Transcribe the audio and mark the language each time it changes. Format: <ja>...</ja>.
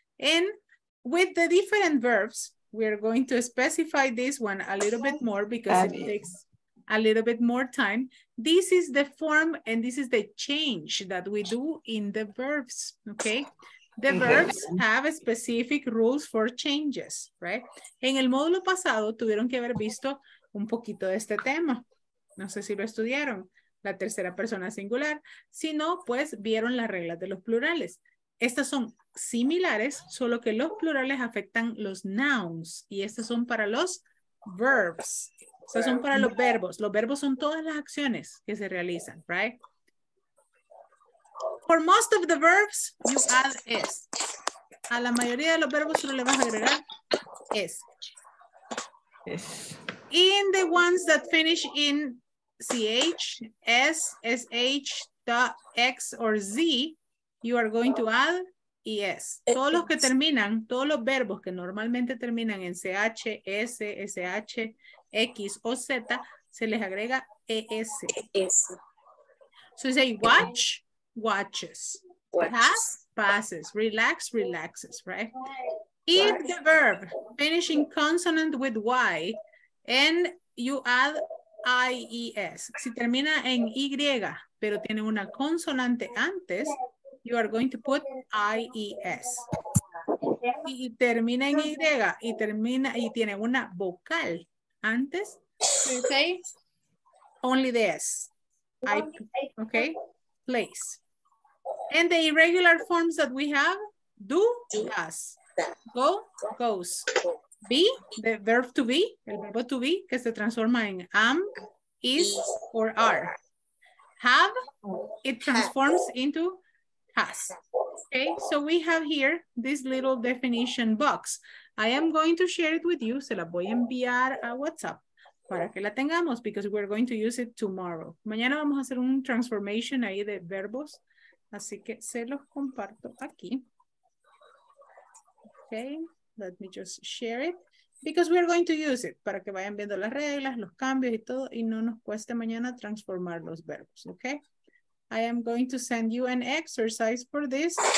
<en>And with the different verbs, we're going to specify this one a little bit more because it takes a little bit more time. This is the form and this is the change that we do in the verbs, okay? The verbs have specific rules for changes, right?</en> <es>En el módulo pasado tuvieron que haber visto un poquito de este tema. No sé si lo estudiaron, la tercera persona singular. Si no, pues vieron las reglas de los plurales. Estas son similares, solo que los plurales afectan los nouns. Y estas son para los verbs. Estas son para los verbos. Los verbos son todas las acciones que se realizan, right?</es> <en>For most of the verbs, you add S.</en> <es>A la mayoría de los verbos solo le vas a agregar S.</es> <en>In the ones that finish in CH, S, SH, X, or Z, you are going to add ES.</en> <es>Todos los que terminan, todos los verbos que normalmente terminan en CH, S, SH, X, o Z, se les agrega ES.</es> <en>S. So you say watch. Watches. Watches. Has, passes. Relax, relaxes, right? If the verb finishing consonant with Y and you add IES,</en> <es>si termina en Y, pero tiene una consonante antes,</es> <en>you are going to put IES.</en> <es>Y termina en Y y termina y tiene una vocal antes, okay?</es> <en>Only the S. I, okay, place. And the irregular forms that we have, do, does. Go, goes. Be, the verb to be,</en> <es>el verbo</es> <en>to be,</en> <es>que se transforma en</es> <en>am, is, or are. Have, it transforms into has. Okay, so we have here this little definition box. I am going to share it with you.</en> <es>Se la voy a enviar a WhatsApp para que la tengamos,</es> <en>because we're going to use it tomorrow.</en> <es>Mañana vamos a hacer un transformation ahí de verbos. Así que se los comparto aquí.</es> <en>Okay, let me just share it. Because we're going to use it.</en> <es>Para que vayan viendo las reglas, los cambios y todo. Y no nos cueste mañana transformar los verbos.</es> <en>Okay. I am going to send you an exercise for this.</en>